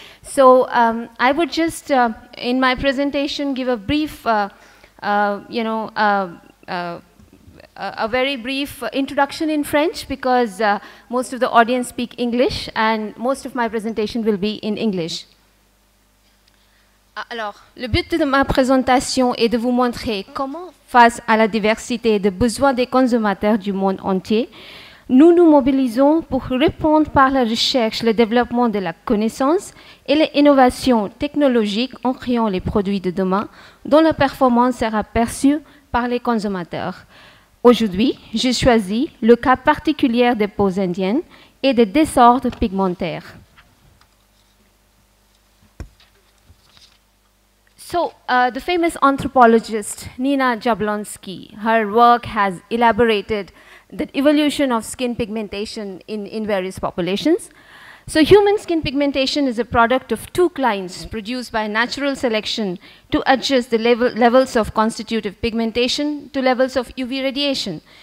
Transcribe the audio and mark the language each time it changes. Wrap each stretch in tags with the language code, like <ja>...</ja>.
<en>So I would just, in my presentation, give a brief, a very brief introduction in French, because most of the audience speak English, and most of my presentation will be in English.</en> <fr>Alors, le but de ma présentation est de vous montrer comment, face à la diversité de besoins des consommateurs du monde entier, nous nous mobilisons pour répondre par la recherche, le développement de la connaissance et l'innovation technologique en créant les produits de demain dont la performance sera perçue par les consommateurs. Aujourd'hui, j'ai choisi le cas particulier des peaux indiennes et des désordres pigmentaires.</fr> <en>So, the famous anthropologist Nina Jablonski, her work has elaborated the evolution of skin pigmentation in various populations. So, human skin pigmentation is a product of two clines produced by natural selection to adjust the levels of constitutive pigmentation to levels of UV radiation.</en>